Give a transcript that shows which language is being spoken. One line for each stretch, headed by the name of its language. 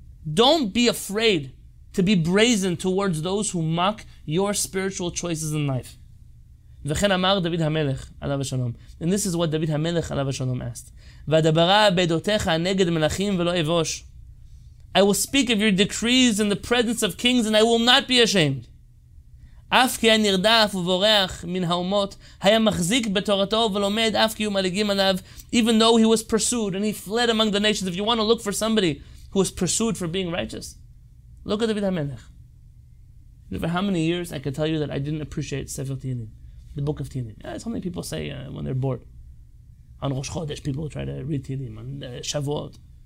English: Don't be afraid to be brazen towards those who mock your spiritual choices in life.
Hebrew: V'chen amar David Hamelech alav shalom.
English: And this is what David Hamelech alav shalom asked.
Hebrew: V'adabara bedotecha neged melachim velo evosh.
English: I will speak of your decrees in the presence of kings, and I will not be ashamed.
Hebrew: אף כי היה נרדף ובורח מן האומות, היה מחזיק בתורתו ולומד אף כי הוא מלגים עליו,
English: even though he was pursued and he fled among the nations. If you want to look for somebody who was pursued for being righteous, look at David HaMelech. For how many years I could tell you that I didn't appreciate Sefer Tehillim, the book of Tehillim. Yeah, it's something people say when they're bored. On Rosh Chodesh, people try to read Tehillim, on Shavuot.